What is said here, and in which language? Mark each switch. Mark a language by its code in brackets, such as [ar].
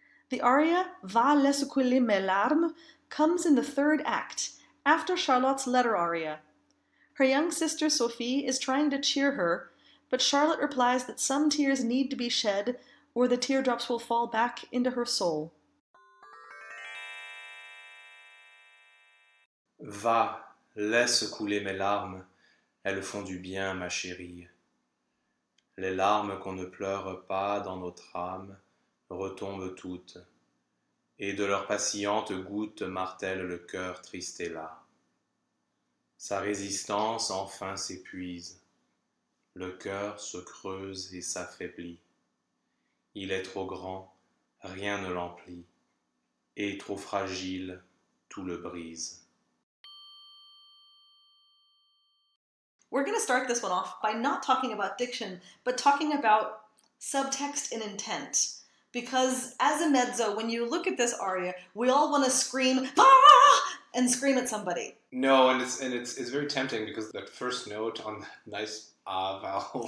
[en] The aria [fr] Va, laisse couler mes larmes [en] comes in the third act, after Charlotte's letter aria. Her young sister Sophie is trying to cheer her, but Charlotte replies that some tears need to be shed, or the teardrops will fall back into her soul. [fr] Va, laisse couler mes larmes, elles font du bien, ma chérie. Les larmes qu'on ne pleure pas dans notre âme retombent toutes, et de leurs patientes gouttes martèlent le cœur triste et las. Sa résistance enfin s'épuise, le cœur se creuse et s'affaiblit. Il est trop grand, rien ne l'emplit, et trop fragile, tout le brise. [en] We're going to start this one off by not talking about diction, but talking about subtext and intent. Because as a mezzo, when you look at this aria, we all want to scream, ah! And scream at somebody. No, and it's very tempting because that first note on the nice ah vowel